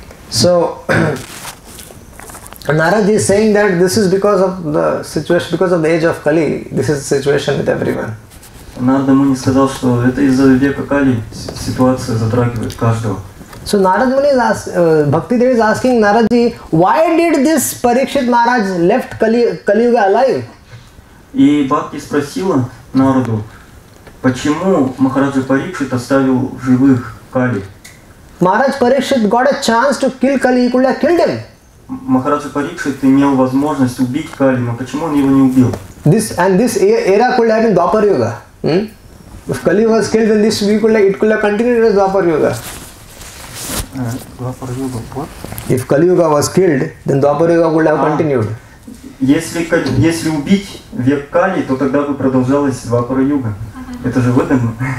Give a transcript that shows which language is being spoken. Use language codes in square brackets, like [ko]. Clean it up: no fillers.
[en] So Narada is saying that this is because of the situation, because of the age of Kali, this is the situation with everyone. [ru] Narada Muni сказал, что это из-за века Кали ситуация затрагивает каждого. [en] So Narada Muni is Bhakti Devi is asking Narada, why did this Parikshit Maharaj left Kali Yuga alive? [ru] И Бхакти спросила Нараду, почему Махараджа Парикшит оставил живых Кали? [en] Maharaj Parikshit got a chance to kill Kali, he could have killed him. [ru] Махараджа Парикшит имел возможность убить Кали, но почему он его не убил? [en] This era could have been Dwapar Yuga. If Kali was killed, then it could have continued as Dwapar Yuga. Dwapar Yuga what? If Kali Yuga was killed, then Dwapar Yuga could have continued. [ru] Если убить век Кали, то тогда бы продолжалась Dwapar Yuga. Это же выгодно.